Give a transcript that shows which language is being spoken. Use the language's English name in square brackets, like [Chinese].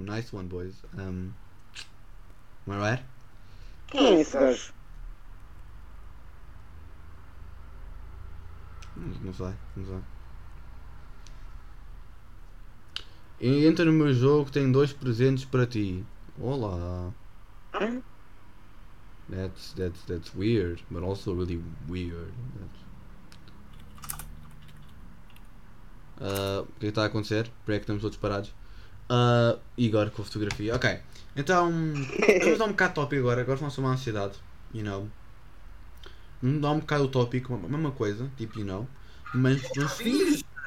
[English] Nice one, boys. Am I right? [Portuguese] Quem é esse gajo? Não sei. Entra no meu jogo, tenho dois presentes para ti. Olá. [English] That's weird, but also really weird. [Portuguese] O que está a acontecer? Por que é que estamos todos parados? Igor com a fotografia. Ok, então vamos dar um bocado de tópico agora. Agora falamos sobre a ansiedade. You know, vamos dar um bocado o tópico, a mesma coisa, tipo, you know, mas não se diz.